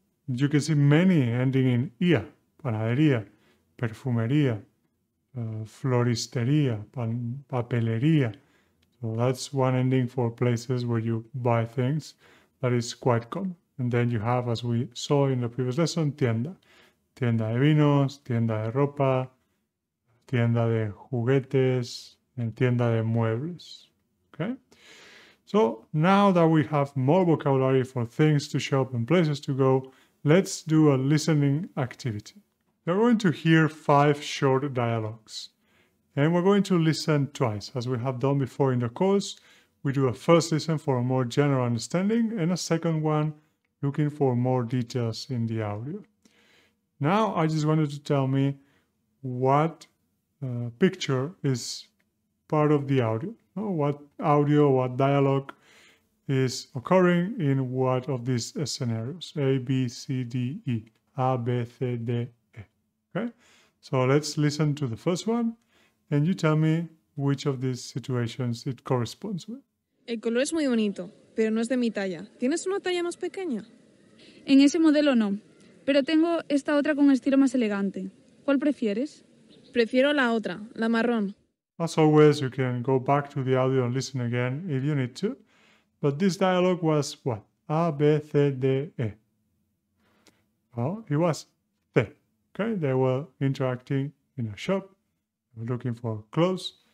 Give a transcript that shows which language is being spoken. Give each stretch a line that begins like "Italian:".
English: You can see many ending in ia, panadería, perfumería, floristería, papelería. So that's one ending for places where you buy things. That is quite common. And then you have, as we saw in the previous lesson, tienda.
Spanish: Tienda de vinos, tienda de ropa, tienda de juguetes, En tienda de muebles. Okay?
English: So, now that we have more vocabulary for things to shop and places to go, let's do a listening activity. You're going to hear five short dialogues. And we're going to listen twice, as we have done before in the course. We do a first listen for a more general understanding, and a second one looking for more details in the audio. Now, I just wanted to tell me what picture is part of the audio. What audio, what dialogue is occurring in what of these scenarios? A, B, C, D, E. A, B, C, D, E. Okay? So let's listen to the first one and you tell me which of these situations it corresponds with.
Spanish: El color es muy bonito, pero no es de mi talla. ¿Tienes una talla más pequeña? En ese modelo no, pero tengo esta otra con estilo más elegante. ¿Cuál prefieres? Prefiero la otra, la marrón.
English: As always, you can go back to the audio and listen again if you need to. But this dialogue was what? A, B, C, D, E. Well, it was C. Okay? They were interacting in a shop, looking for clothes.